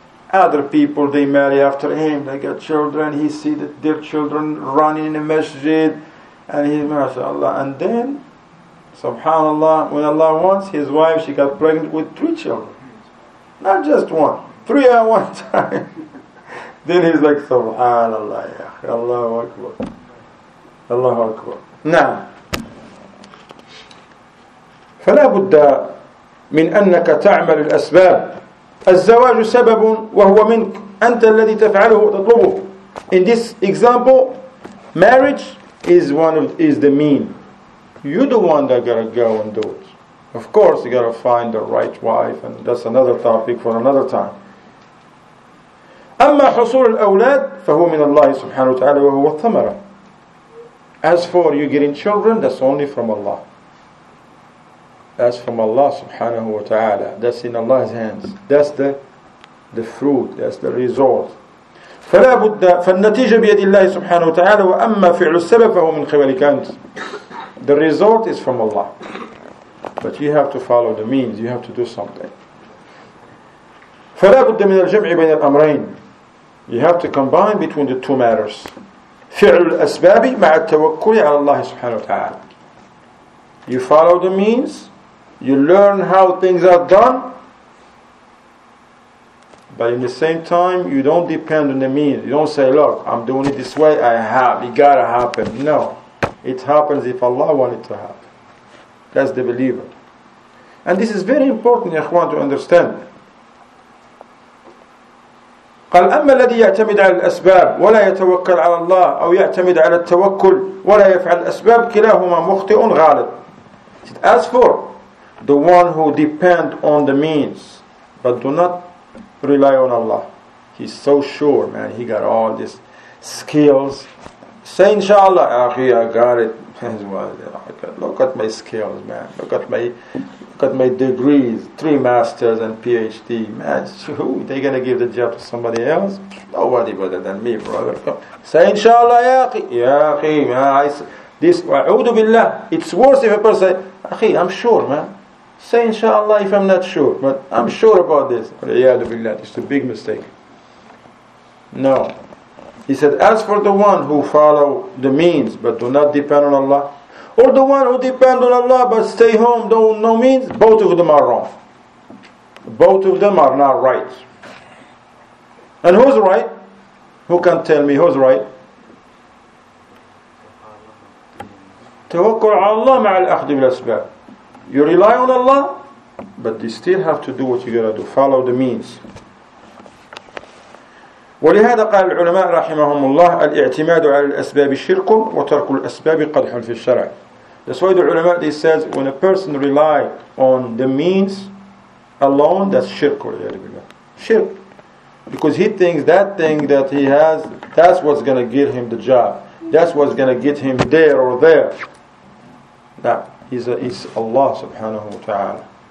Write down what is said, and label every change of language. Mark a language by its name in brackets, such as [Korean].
[English] Other people, they marry after him, they got children, he see that their children running in the masjid, and he, mashaAllah. And then, subhanAllah, when Allah wants, his wife, she got pregnant with 3 children. Not just 1, 3 at 1 time. Then he's like, subhanAllah, ya, Allahu Akbar. Allahu Akbar. [Arabic] Now, فلا بد من أنك تعمل الأسباب. الزواج سبب وهو منك أنت الذي تفعله وتطلبه. [English] In this example, marriage is the mean. You're the one that gotta go and do it. Of course, you got to find the right wife, and that's another topic for another time. [Arabic] أما حصول الأولاد فهو من الله سبحانه وتعالى وهو الثمرة. [English] As for you getting children, that's only from Allah. That's from Allah subhanahu wa ta'ala. That's in Allah's hands. That's the fruit. That's the result. [Arabic] فلا بد فالنتيجة بيد الله سبحانه وتعالى وأما فعل السبب فهو من قبل كانت. [English] The result is from Allah. But you have to follow the means. You have to do something. [Arabic] فلا بد من الجمع بين الأمرين. [English] You have to combine between the two matters. [Arabic] فعل الأسباب مع التوكل على الله سبحانه وتعالى. [English] You follow the means. You learn how things are done. But in the same time, you don't depend on the means. You don't say, look, I'm doing it this way. It gotta happen. No. It happens if Allah wants it to happen. That's the believer. And this is very important, ikhwan, to understand. [Arabic] قال أما الذي يعتمد على الأسباب ولا يتوكل على الله أو يعتمد على التوكل ولا يفعل الأسباب كلاهما مخطئ غالب. [English] As for the one who depend on the means but do not rely on Allah, he's so sure, man, he got all these skills. Say inshallah, I got it. Look at my skills, man. Look at my degrees, 3 masters and PhD. Man, they gonna give the job to somebody else? Nobody better than me, brother. Say inshallah, ya akhi, man. It's worse if a person say, akhi, I'm sure, man. Say inshallah if I'm not sure, but I'm sure about this. It's a big mistake. No. He said, as for the one who follow the means but do not depend on Allah, or the one who depend on Allah but stay home, don't know means, both of them are wrong. Both of them are not right. And who's right? Who can tell me who's right? [Arabic] توكل على الله مع الأخذ بالأسباب. [English] You rely on Allah, but you still have to do what you gotta do. Follow the means. [Arabic] ولهذا قال العلماء رحمهم الله الاعتماد على الأسباب شرك وترك الأسباب قدح في الشرع. [English] That's why the ulama, they says, when a person rely on the means alone, that's shirk. Shirk. Because he thinks that thing that he has, that's what's going to get him the job. That's what's going to get him there or there. That is Allah subhanahu wa ta'ala.